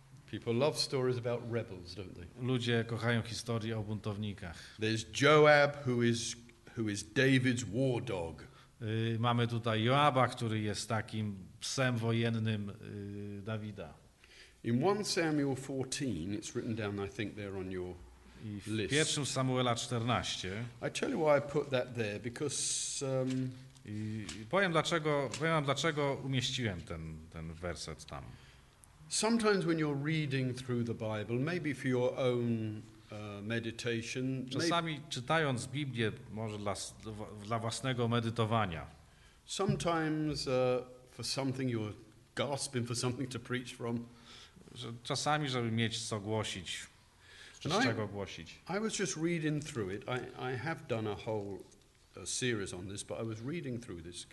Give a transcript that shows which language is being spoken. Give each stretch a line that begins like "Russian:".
English: People love stories about rebels, don't they?
Polish: Ludzie kochają historie o buntownikach.
English: There's Joab, who is David's war dog.
Polish: Mamy tutaj Joaba, który jest takim psem wojennym Dawida.
English: In 1 Samuel 14, it's written down, I think, there on your list.
Polish: W 1 Samuela 14.
English: I tell you why I put that there, because...
Polish: Powiem dlaczego umieściłem ten werset tam.
English: Sometimes when you're reading through the Bible, maybe for your own... meditation.
Polish: Czasami czytając Biblię, może dla własnego medytowania.
English: Sometimes for something you're gasping for something to preach from.
Polish: Czasami, żeby mieć co głosić, czego głosić.
English: I was just reading through it. I have done a whole series on this, but I was reading through this.